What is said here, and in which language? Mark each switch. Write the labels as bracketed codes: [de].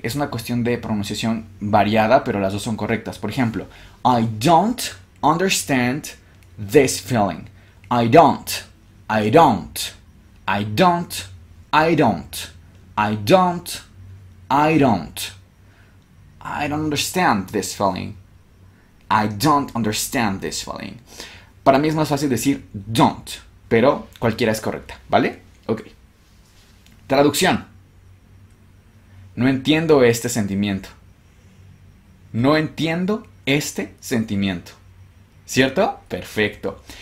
[es] Es una cuestión de pronunciación variada, pero las dos son correctas. Por ejemplo, [en] I don't understand this feeling. I don't. I don't. I don't. I don't. I don't, I don't. I don't understand this feeling. I don't understand this feeling. [es] Para mí es más fácil decir don't, pero cualquiera es correcta, ¿vale? Ok. Traducción. No entiendo este sentimiento. No entiendo este sentimiento. ¿Cierto? Perfecto.